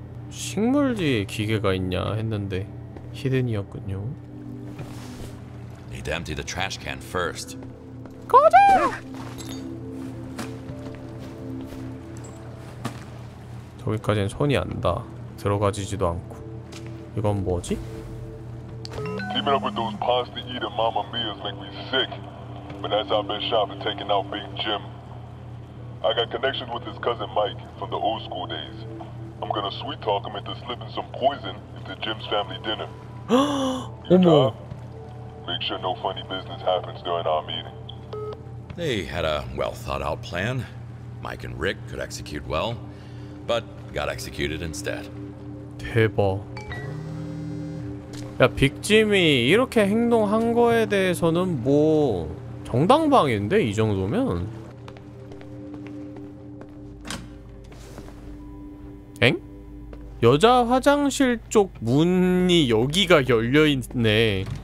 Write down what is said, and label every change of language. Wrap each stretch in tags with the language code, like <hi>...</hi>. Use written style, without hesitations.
<ko>식물 뒤에 기계가 있냐 했는데 히든이었군요.</ko> <en>Need to empty the trash can first.</en> <ko>가자. 저기까지는 손이 안 닿아. 들어가지지도 않고. 이건 뭐지?</ko> <en>Keep it up with those pasta eating mama mia's make me sick. But as I've been shopping, taking out Big Jim, I got connections with his cousin Mike from the old school days. I'm gonna sweet talk him into slipping some poison into Jim's family dinner.</en> <ko>어머.</ko> <en>Make sure no funny business happens during our meeting. They had a well thought out plan. Mike and Rick could execute well, but got executed instead.</en> <ko>대박. 야, 빅짐이 이렇게 행동한 거에 대해서는 뭐 정당방위인데 이 정도면. 엥? 여자 화장실 쪽 문이 여기가 열려있네.</ko>